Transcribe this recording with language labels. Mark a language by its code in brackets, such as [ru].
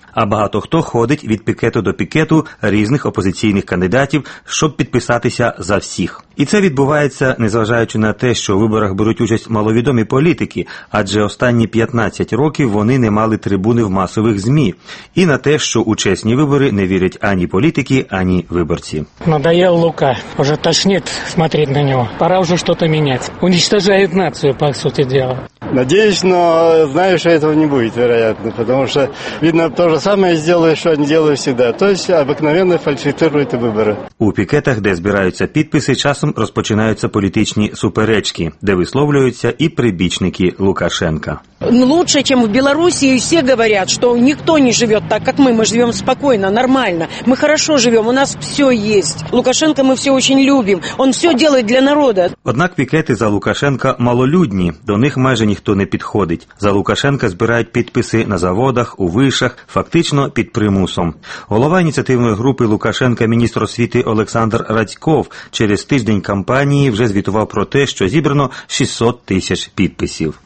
[uk] А багато хто ходить від пікету до пікету різних опозиційних кандидатів, щоб підписатися за всіх. І це відбувається, незважаючи на те, що у виборах беруть участь маловідомі політики, адже останні 15 років вони не мали трибуни в масових ЗМІ. І на те, що у чесні вибори не вірять ані політики, ані виборці. [ru] Надоел Лука. Уже тошнит смотреть на него. Пора уже что-то менять. Уничтожает нацию, по сути дела. Надеюсь, но знаю, что этого не будет, вероятно, потому что видно то же самое сделают, что они делают всегда. То есть обыкновенно фальсифицируют выборы. [uk] У пікетах, де збираються підписи, часом розпочинаються політичні суперечки, де висловлюються і прибічники Лукашенка. [ru] Лучше, чем в Беларуси, и все говорят, что никто не живет так, как мы живем спокойно, нормально. Мы хорошо живем, у нас все есть. Лукашенко мы все очень любим, он все делает для народа. [uk] Однак пікети за Лукашенка малолюдні, до них майже ніхто не підходить. За Лукашенка збирають підписи на заводах, у вишах, фактично під примусом. Голова ініціативної групи Лукашенка, міністр освіти Олександр Радьков, через тиждень кампанії вже звітував про те, що зібрано 600 тисяч підписів.